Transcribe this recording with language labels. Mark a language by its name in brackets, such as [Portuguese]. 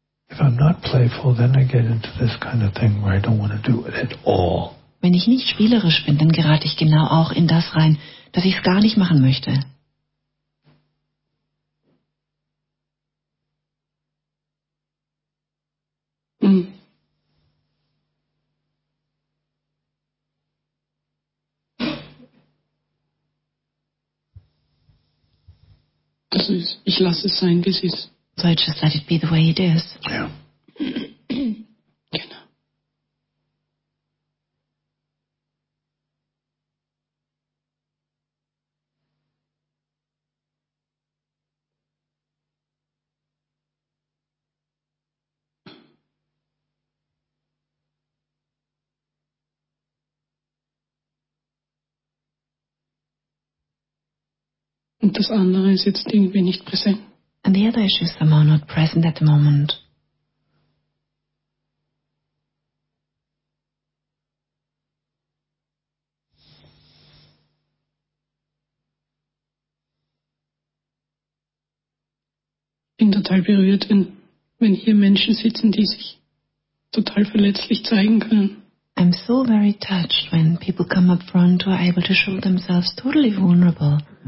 [English] If I'm not playful, then I get into this kind of thing where I don't want to do it at all. [German] Wenn ich nicht spielerisch bin, dann gerate ich genau auch in das rein, dass ich es gar nicht machen möchte. Das ist, ich lasse es sein, wie es ist. [English] So I just let it be the way it is. [German] Ja. Und das andere ist jetzt irgendwie nicht präsent. [English] And the other issue is somehow not present at the moment. [German] Ich bin total berührt, wenn hier Menschen sitzen, die sich total verletzlich zeigen können. [English] I'm so very touched when people come up front who are able to show themselves totally vulnerable.